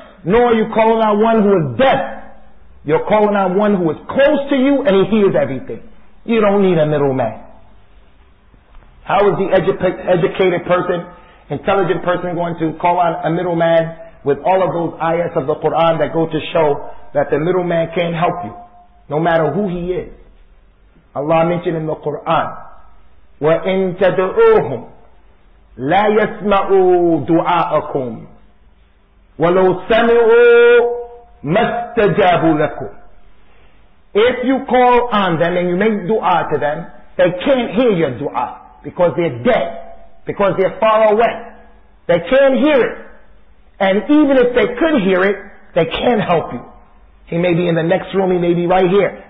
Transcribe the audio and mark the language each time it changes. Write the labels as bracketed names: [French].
[English] Nor are you calling on one who is deaf. You're calling on one who is close to you and he hears everything. You don't need a middleman. How is the educated person, intelligent person going to call on a middleman with all of those ayats of the Quran that go to show that the little man can't help you, no matter who he is. Allah mentioned in the Quran, [Arabic] وَإِن تَدْعُوهُمْ لَا يَسْمَعُوا دُعَاءَكُمْ وَلَوْ سَمِعُوا مَسْتَجَابُوا لَكُمْ. [English] If you call on them and you make dua to them, they can't hear your dua because they're dead, because they're far away. They can't hear it. And even if they could hear it, they can't help you. He may be in the next room, he may be right here.